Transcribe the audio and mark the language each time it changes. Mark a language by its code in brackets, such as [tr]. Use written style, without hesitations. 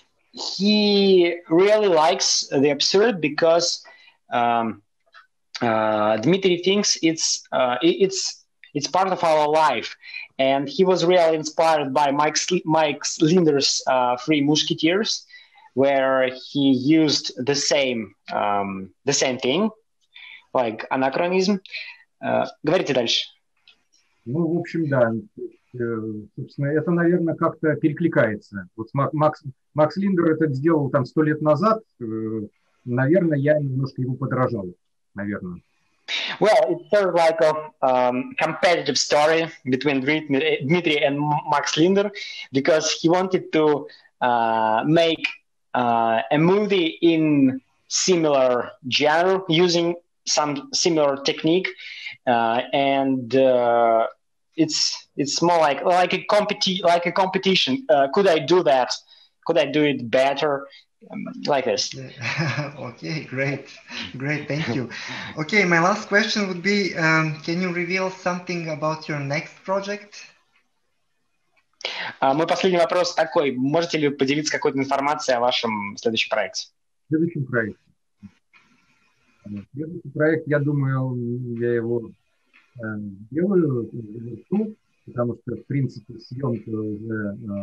[en] He really likes the absurd because Dmitry thinks it's part of our life, and he was really inspired by Mike Linder's Three Musketeers, where he used the same thing, like anachronism. [ru] Говорите дальше. Ну, в общем, да. Собственно, это, наверное, как-то перекликается. Вот Макс Линдер это сделал там 100 лет назад. Наверное, я немножко его подражал. Наверное. [en] Well, it's sort of like a competitive story between Dmitry and Max Linder, because he wanted to make a movie in similar genre, using some similar technique, and It's more like a competition. Could I do that? Could I do it better? like this. Okay, great. Great, thank you. Okay, my last question would be, can you reveal something about your next project? [ru] Мой последний вопрос такой. Можете ли поделиться какой-то информацией о вашем следующем проекте? Следующем проекте? Следующий проект, я думаю, я его делаю, потому что, в принципе, съемка уже...